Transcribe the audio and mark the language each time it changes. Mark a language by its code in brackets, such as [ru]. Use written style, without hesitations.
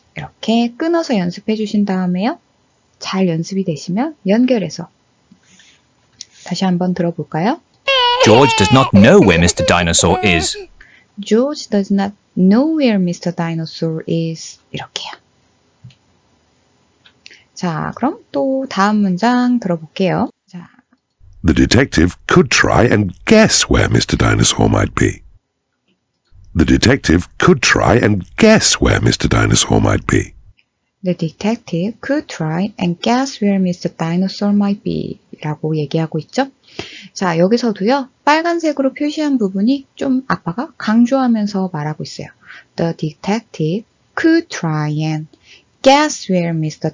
[ko] 이렇게 끊어서 연습해 주신 다음에요. 잘 연습이 되시면 연결해서 다시 한번 들어볼까요? [en] George does not know where Mr. Dinosaur is. George does not know where Mr. Dinosaur is. [ko] 이렇게요. 자, 그럼 또 다음 문장 들어볼게요. [en] The detective could try and guess where Mr. Dinosaur might be. The detective could try and guess where Mr. Dinosaur might be. The detective could try and guess where Mr. Dinosaur might be. [ko] 라고 얘기하고 있죠. 자, 여기서도요. 빨간색으로 표시한 부분이 좀 아빠가 강조하면서 말하고 있어요. [en] The detective could try and guess where Mr.